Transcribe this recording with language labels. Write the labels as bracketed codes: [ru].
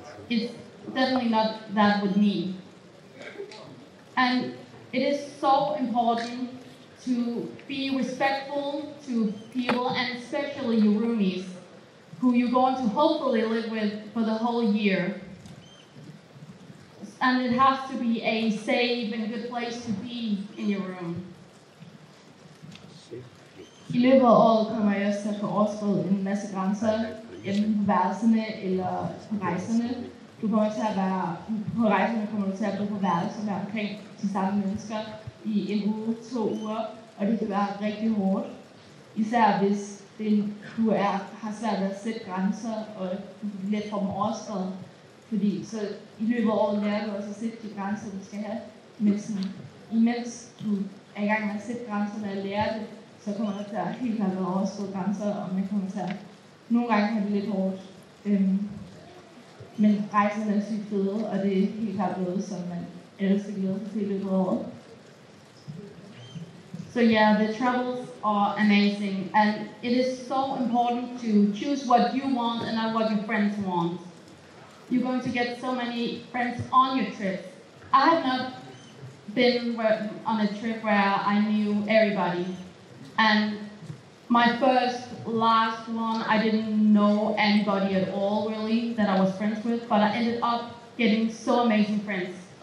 [en] It's definitely not that with me. And it is so important to be respectful to people, and especially your roomies, who you're going to hopefully live with for the whole year. And it has to be a safe and good place to be in your room. [da] I løbet af året kommer jeg også til at få overskrevet en masse grænser, enten på værelserne eller på rejserne. Du kommer til at være på rejserne, kommer du til at blive på værelser med omkring de samme mennesker i en uge, to uger. Og det kan være rigtig hårdt, især hvis du har svært at sætte grænser, og du bliver let for dem overskrevet. Fordi så i løbet af året lærer du også at sætte de grænser, du skal have. Men sådan, imens du er i gang med at sætte grænserne og lære det, så kommer der til at helt klart være overskrevet grænser, og man kommer til at nogle gange have det lidt hårdt. Men rejserne er sygt fede, og det er helt klart noget, som man ellers er glæder sig til i løbet af året. [en] So yeah, the travels are amazing, and it is so important to choose what you want and not what your friends want. You're going to get so many friends on your trip. I have not been on a trip where I knew everybody, and my first, last one, I didn't know anybody at all, really, that I was friends with, but I ended up getting so amazing friends.